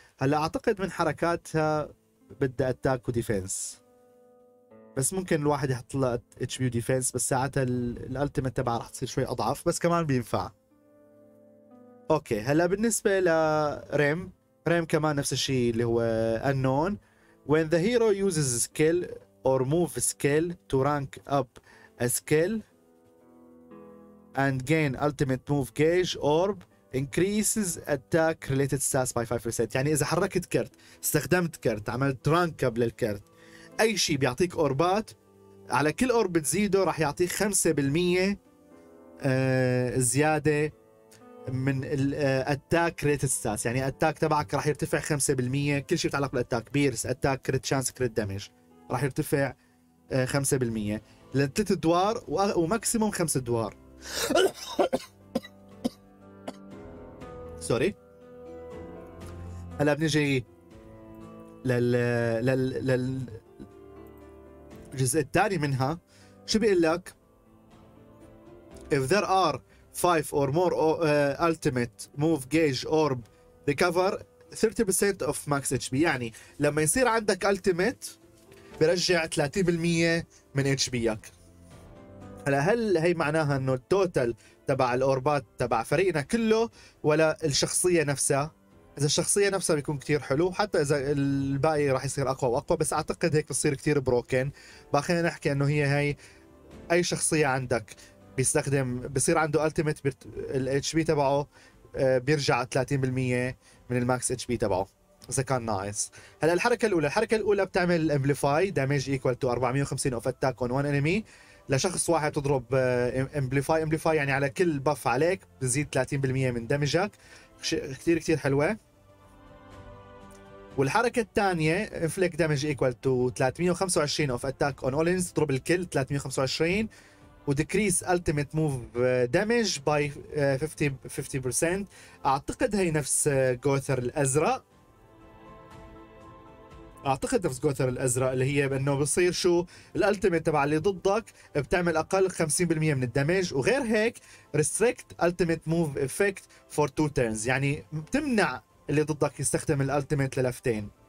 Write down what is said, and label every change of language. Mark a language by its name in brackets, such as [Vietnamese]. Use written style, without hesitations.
[Arabic] هلا أعتقد من حركاتها بدأ أتاك وديفنس، بس ممكن الواحد يحط له اتش بي وديفنس، بس ساعتها الالتيميت تبعها رح تصير شوي اضعف، بس كمان بينفع. اوكي هلا بالنسبه لريم، ريم كمان نفس الشيء اللي هو انون. [English] when the hero uses skill or move skill to rank up a skill and gain ultimate move gauge orb increases attack related stats by 5%. [Arabic] يعني اذا حركت كرت، استخدمت كرت، عملت رانك قبل الكرت، اي شيء بيعطيك اوربات على كل اورب بتزيده راح يعطيك 5% زياده من الاتاك ريتد ستاتس. يعني الاتاك تبعك راح يرتفع 5%. كل شيء يتعلق بالاتاك، بيرس اتاك كريت شانس كريت دامج، راح يرتفع 5% لثلاث ادوار وماكسيموم 5 ادوار. سوري. هلا بنجي لل الجزء الثاني منها. شو بيقول لك؟ [English] if there are 5 or more ultimate move gauge orb recover 30% of max HP. [Arabic] يعني لما يصير عندك ultimate برجع 30% من HPك. هلا هل هي معناها انه التوتال تبع الاوربات تبع فريقنا كله ولا الشخصيه نفسها؟ اذا الشخصيه نفسها بيكون كتير حلو، حتى اذا الباقي راح يصير اقوى واقوى، بس اعتقد هيك بصير كتير بروكن. باخينا نحكي انه هي اي شخصيه عندك بيستخدم بيصير عنده ألتيميت الاتش بي تبعه بيرجع 30% من الماكس اتش بي تبعه اذا كان ناقص. هلا الحركه الاولى، الحركه الاولى بتعمل امبليفاي دامج ايكوال تو 450 اوف اتاك اون وان انمي لشخص واحد. تضرب امبليفاي، امبليفاي يعني على كل باف عليك بتزيد 30% من دمجك. كتير كتير حلوة. والحركة الثانية [English] inflict damage equal to 325 of attack on all enemies. [Arabic] تضرب الكل 325 و [English] decrease ultimate move damage by 50%. [Arabic] اعتقد هي نفس جوثر الازرق، اعتقد نفس جوثر الازرق اللي هي بانه بصير شو الالتيميت تبع اللي ضدك بتعمل اقل 50% من الدمج. وغير هيك [English] restrict ultimate move effect for two turns، [Arabic] يعني بتمنع اللي ضدك يستخدم الالتيميت للفتين.